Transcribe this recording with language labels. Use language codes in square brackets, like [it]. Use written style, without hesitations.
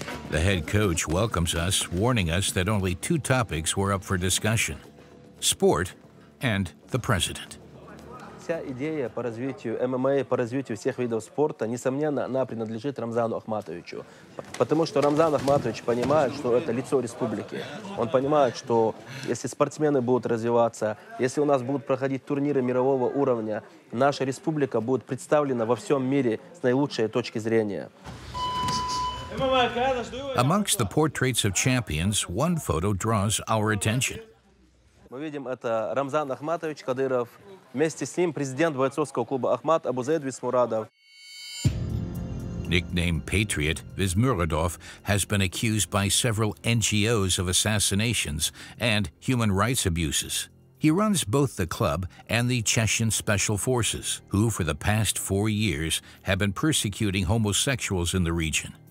[en] The head coach welcomes us, warning us that only two topics were up for discussion, sport and the president. [ru] Вся идея по развитию ММА, по развитию всех видов спорта, несомненно, она принадлежит Рамзану Ахматовичу. Потому что Рамзан Ахматович понимает, что это лицо республики. Он понимает, что если спортсмены будут развиваться, если у нас будут проходить турниры мирового уровня, наша республика будет представлена во всем мире с наилучшей точки зрения. [en] Amongst the portraits of champions, one photo draws our attention. [ru] Мы видим, это Рамзан Ахматович Кадыров. Вместе с ним президент бойцовского клуба «Ахмат» Абузейд Висмурадов. [en] Nicknamed Patriot, Vismuradov has been accused by several NGOs of assassinations and human rights abuses. He runs both the club and the Chechen Special Forces, who for the past 4 years have been persecuting homosexuals in the region.